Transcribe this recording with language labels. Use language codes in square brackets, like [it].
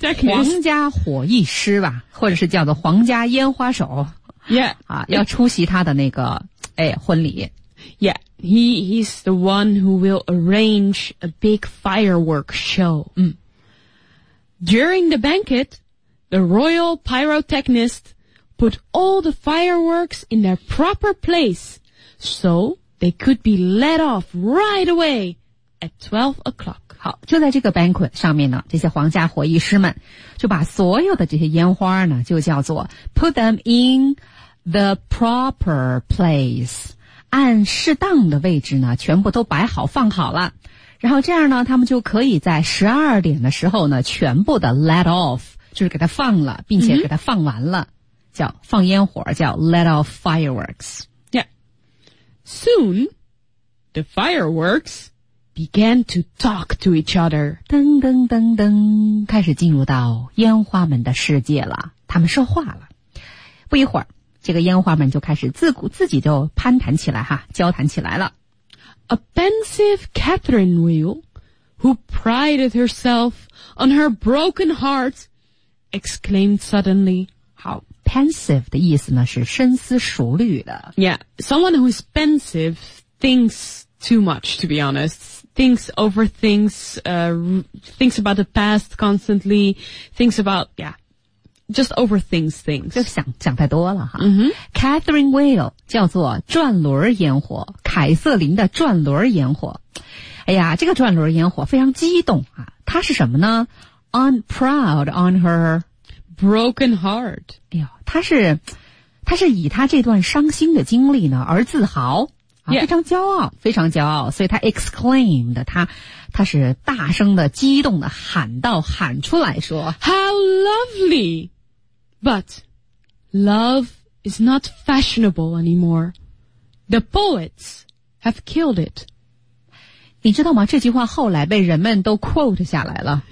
[zh] 皇家火艺师吧，或者是叫做皇家烟花手。 [en] Yeah， [zh] 啊，要出席他的那个婚礼。 [en] Yeah， he's the one who will arrange a big fireworks show. During the banquet. The royal pyrotechnist put all the fireworks in their proper place so they could be let off right away at 12 o'clock. [zh] 好，就在这个 banquet 上面呢，这些皇家火艺师们就把所有的这些烟花呢，就叫做 put them in the proper place，按适当的位置呢，全部都摆好放好了，然后这样呢，他们就可以在12点的时候呢，全部的 let off。就是给他放了并且给他放完了、mm-hmm. 叫放烟火叫 let off fireworks. [en] Yeah. Soon, the fireworks began to talk to each other. [zh] 噔噔噔噔，开始进入到烟花们的世界了，他们说话了。不一会儿，这个烟花们就开始自己就攀谈起来哈，交谈起来了。 [en] A pensive Catherine Wheel, who prided herself on her broken heart, exclaimed suddenly. [zh] 好 ,pensive 的意思呢是深思熟虑的。 [en] Yeah, someone who is pensive thinks too much, to be honest. Thinks over things, thinks about the past constantly, thinks about, yeah. Just overthinks things. [zh] 就想太多了哈。 Mm-hmm. Catherine Wheel 叫做转轮烟火，凯瑟琳的转轮烟火。哎呀，这个转轮烟火非常激动啊！它是什么呢 ？ On proud on her [en] broken heart. [zh] 哎呦，她是以她这段伤心的经历呢而自豪、啊 [en] yeah. [zh] 非常骄傲，非常骄傲。所以她 exclaimed， 她是大声的、激动的喊出来说 [en] ，How lovely！ But love is not fashionable anymore. The poets have killed it. [zh] 你知道吗？这句话后来被人们都 quote 下来了。